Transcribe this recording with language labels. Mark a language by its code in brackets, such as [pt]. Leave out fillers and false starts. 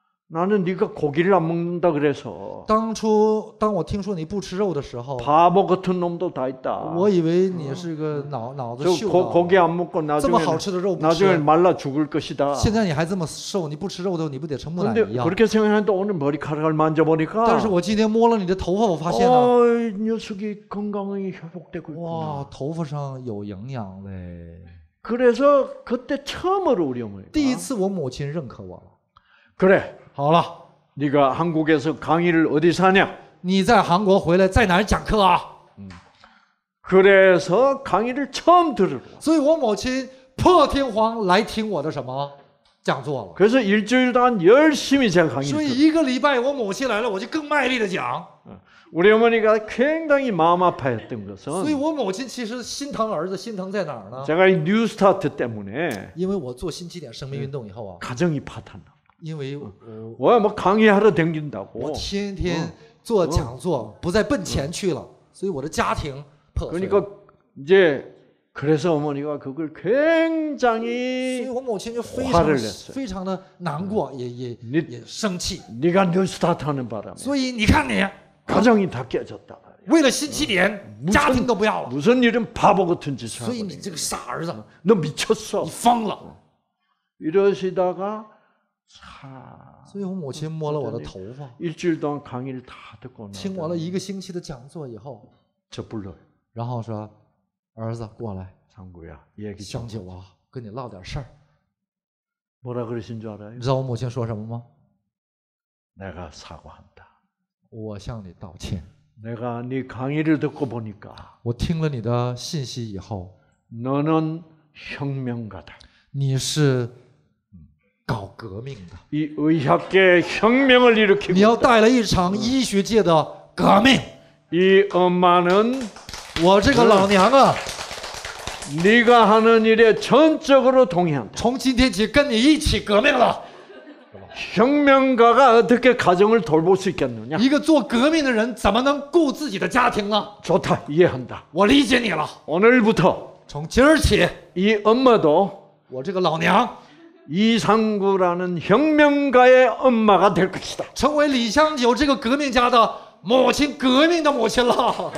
[ko] 나는네가고기를안먹는다그래서 [zh] 当初当我听说你不吃肉的时候 [ko] 바보같은놈도다있다 [zh] 我以为你是个脑子秀的 [ko] 고기안먹고나중에 [zh] 这么好吃的肉不吃 [ko] 나중에말라죽을것이다 [zh] 现在你还这么瘦你不吃肉的你不得成木乃伊 [ko] 근데그렇게생각하는데오늘머리카락을만져보니까 [zh] 但是我今天摸了你的头发我发现 [ko] 了아녀석이건강이회복되고있구나 [zh] 哇头发上有营养嘞 [ko] 그래서그때처음으로우리어머니 [zh] 第一次我母亲认可我 [ko] 그래 [zh] 好了， [ko] 네가한국에서강의를어디서하냐？ [zh] 你在韩国回来，在哪儿讲课啊？ [ko] 그래서강의를처음들으러。 [zh] 所以我母亲破天荒来听我的什么讲座了。 [ko] 그래서일주일동안열심히제가강의를。 [zh] 所以一个礼拜我母亲来了，我就更卖力的讲。 [ko] 우리어머니가굉장히마음아파했던것은 [zh] 所以我母亲其实心疼儿子，心疼在哪儿呢？ [ko] 제가이뉴스타트때문에 [zh] 因为我做新起点生命运动以后啊， [ko] 가정이파탄나 [zh] 因为 [ko] 我뭐강의하러댕긴다고 [zh] 我天天做讲座，不再奔钱去了，所以我的家庭破碎。 [ko] 그러니까이제그래서어머니가그걸굉장히 [zh] 所以我母亲就非常非常的难过，也生气。 [ko] 네가뉴스타트하는바람에 [zh] 所以你看你 [ko] 가정이다깨졌다 [zh] 为了新起点，家庭都不要了。 [ko] 무슨일은바보같은짓을 [zh] 所以你这个傻儿子， [ko] 너미쳤어 [zh] 你疯了。 [ko] 이러시다가 [zh] 所以我母亲摸了我的头发。 [ko] 일주일동안강의를다듣고 [zh] 听完了一个星期的讲座以后， [ko] 저불러 [zh] 然后说，儿子过来， [ko] 장구야얘기 [zh] 想起我，跟你唠点事儿。 [ko] 뭐라그러신줄알아요？ [zh] 你知道我母亲说什么吗？ [ko] 내가사과한다。 [zh] 我向你道歉。 [ko] 내가네강의를듣고보니까， [zh] 我听了你的信息以后， [ko] 너는혁명가다。 [zh] 你是。搞革命的， [ko] 이의학계혁명을일으키고있다 [zh] 你要带了一场医学界的革命。 [ko] 이엄마는 [zh] 我这个老娘啊， [ko] 네가하는일에전적으로동의한다 [zh] 从今天起跟你一起革命了。 [ko] 혁명가가어떻게가정을돌볼수있겠느냐 [zh] 一个做革命的人怎么能顾自己的家庭呢？ [ko] 좋다이해한다 [zh] 我理解你了。 [ko] 오늘부터 [zh] 从今儿起， [ko] 이엄마도 [zh] 我这个老娘。 [ko] 이상구라는혁명가의엄마가될것이다 [zh] 成为李香九这个革命家的母亲，革命的母亲了。